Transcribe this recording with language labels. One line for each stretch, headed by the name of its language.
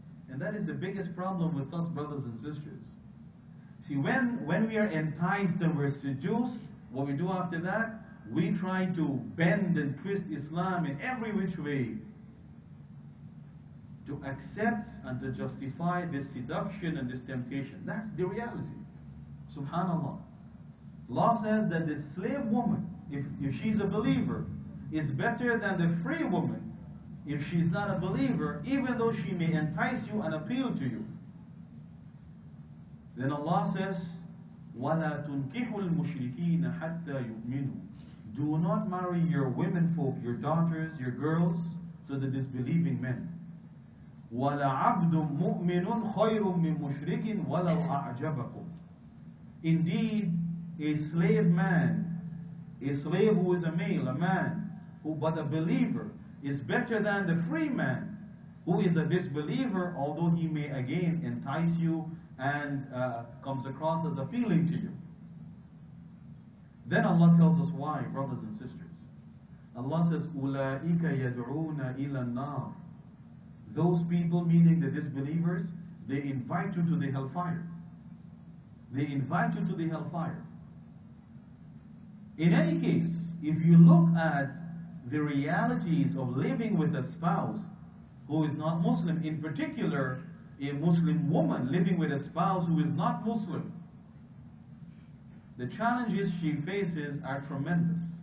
English: And that is the biggest problem with us, brothers and sisters. See, when we are enticed and we're seduced, what we do after that, we try to bend and twist Islam in every which way to accept and to justify this seduction and this temptation. That's the reality. SubhanAllah. Law says that the slave woman, if she's a believer, is better than the free woman if she's not a believer, even though she may entice you and appeal to you.
Arabic: Then Allah says, وَلَا تُنْكِحُ الْمُشْرِكِينَ حَتَّى يُؤْمِنُوا.
English: Do not marry your women folk, your daughters, your girls, to the disbelieving men.
Arabic: وَلَا عَبْدٌ مُؤْمِنٌ خَيْرٌ مِّن مُشْرِكٍ وَلَوْ أَعْجَبَكُمْ.
English: Indeed, a slave man, a slave who is a male, a man, who but a believer, is better than the free man who is a disbeliever, although he may again entice you and comes across as appealing to you. Then Allah tells us why, brothers and sisters. Allah says,
Arabic: أُولَٰئِكَ يَدْعُونَ إِلَى النَّارِ.
English: Those people, meaning the disbelievers, they invite you to the hellfire. They invite you to the hellfire. In any case, if you look at the realities of living with a spouse who is not Muslim, in particular, a Muslim woman living with a spouse who is not Muslim, the challenges she faces are tremendous.